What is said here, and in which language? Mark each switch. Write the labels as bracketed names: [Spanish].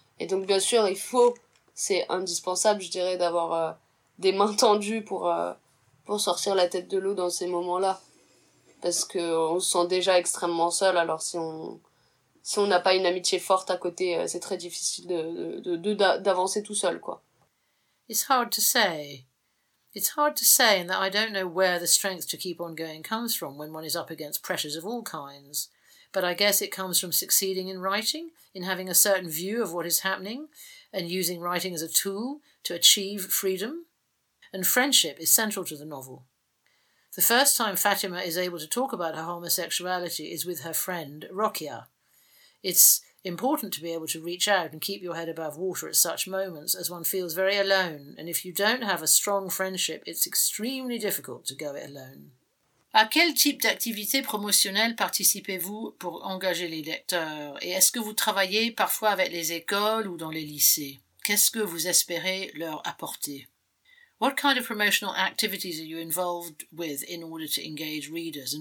[French] Et donc, bien sûr, il faut... C'est indispensable, je dirais, d'avoir des mains tendues pour sortir la tête de l'eau dans ces moments-là. Parce qu'on se sent déjà extrêmement seul, alors si on n'a pas une amitié forte à côté, c'est très difficile d'avancer tout seul, quoi. [English] It's hard to say. It's hard to say in that I don't know where the strength to keep on going comes from when one is up against pressures of all kinds. But I guess it comes from succeeding in writing, in having a certain view of what is happening, and using writing as a tool to achieve freedom. And friendship is central to the novel. The first time Fatima is able to talk about her homosexuality is with her friend, Rokia. It's important to be able to reach out and keep your head above water at such moments, as one feels very alone, and if you don't have a strong friendship, it's extremely difficult to go it alone. [French] À quel type d'activité promotionnelle participez-vous pour engager les lecteurs? Et est-ce que vous travaillez parfois avec les écoles ou dans les lycées? Qu'est-ce que vous espérez leur apporter? [English] What kind of promotional activities are you involved with in order to engage readers?